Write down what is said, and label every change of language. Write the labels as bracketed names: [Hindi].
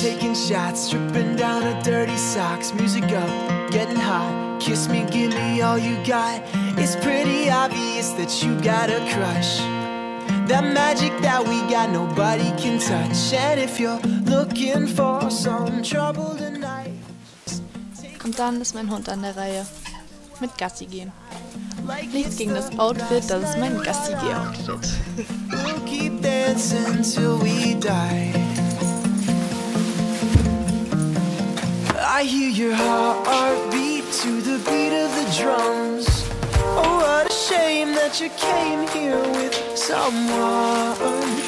[English] Taking shots, stripping down to dirty socks. Music up, getting hot. Kiss me, give me all you got. It's pretty obvious that you got a crush. That magic that we got, nobody can touch. And if you're looking for some trouble tonight. [German] Und dann ist mein Hund an der Reihe. Mit Gassi gehen. Nichts gegen das Outfit, das ist mein Gassi-Geh-Outfit. [English] We'll keep dancing till we die. I hear your heartbeat to the beat of the drums. Oh, what a shame that you came here with someone.